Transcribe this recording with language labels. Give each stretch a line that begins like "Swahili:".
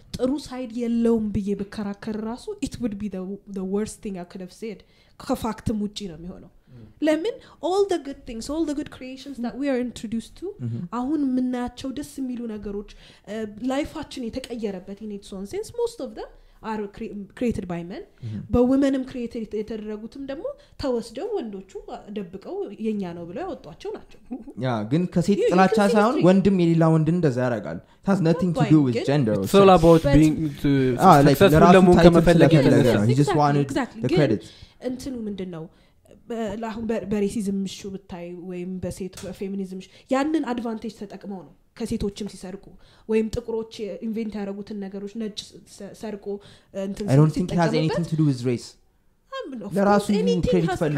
Amharic: ጥሩ ሳይድ የለውም ብዬ በከራከር ራሱ
English: it would be the worst thing I could have said.
Amharic: ከፋክትም ውጪ ነው የሚሆነው.
English: ለምን all the good things, all the good creations that we are introduced to,
Amharic: አሁን ምናቸው ደስ የሚሉ ነገሮች ላይፋችን የተቀየረበት
English: in its own sense, most of them are created by men.
Amharic: But womenም created የተደረጉትም ደግሞ ተወስደው ወንዶቹ ደብቀው የኛ ነው ብለው ያወጧቸው ናቸው. ያ ግን ከሴት ጥላቻ ሳይሆን ወንድም የሌላ ወንድ እንደዛ ያረጋል.
English: Has nothing to do with gender. It's all about being to successful
Amharic: ለመሆን ከመፈለግ
English: ነው. He just wanted the credit.
Amharic: እንትኑ ምንድነው? በላሁን በሬሲዝም ምሹ ብታይ ወይም በሴት ፌሚኒዝም ያንን አድቫንቴጅ ተጠቅመው ነው ከሴቶችም ሲሰርቁ ወይም ጥቁሮች ኢንቨንት ያደረጉትን ነገሮች ነጭ ሰርቆ እንትን ሲጠቀሙ
English: አይ ዶንት ቲንክ ኢት ሃዝ ኤኒቲንግ ቱ ዱ ዊዝ ሬስ
Amharic: ለራሱ ኢንክሬዲት ፈልጎ